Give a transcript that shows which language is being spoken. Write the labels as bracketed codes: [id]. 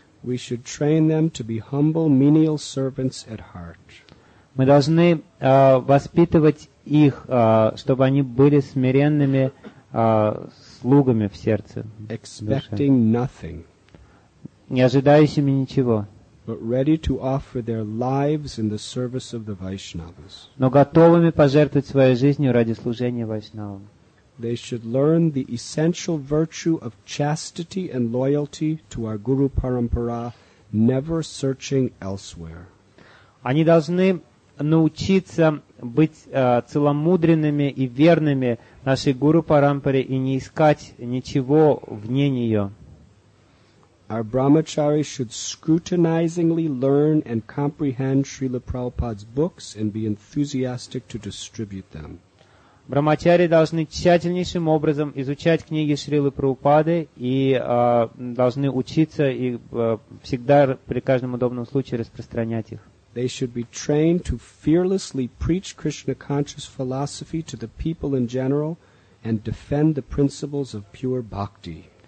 [en] We should train them to be humble, menial servants at heart. [ru] Мы должны воспитывать их, чтобы они были смиренными слугами в сердце, [en] expecting nothing, [ru] не ожидающими ничего, [en] but ready to offer their lives in the service of the Vaishnavas, [ru] но готовыми пожертвовать своей жизнью ради служения Вайшнавам. [en] They should learn the essential virtue of chastity and loyalty to our Guru Parampara, never searching elsewhere. [ru] Они должны научиться быть целомудренными и верными нашей Гуру Парампаре и не искать ничего вне нее. [en] Our brahmachari should scrutinizingly learn and comprehend Srila Prabhupada's books and be enthusiastic to distribute them. [ru] Брахмачари должны тщательнейшим образом изучать книги Шрилы Прабхупады и должны учиться и всегда при каждом удобном случае распространять их. [en] They should be trained to fearlessly preach Krishna conscious philosophy to the people in general and defend the principles of pure bhakti.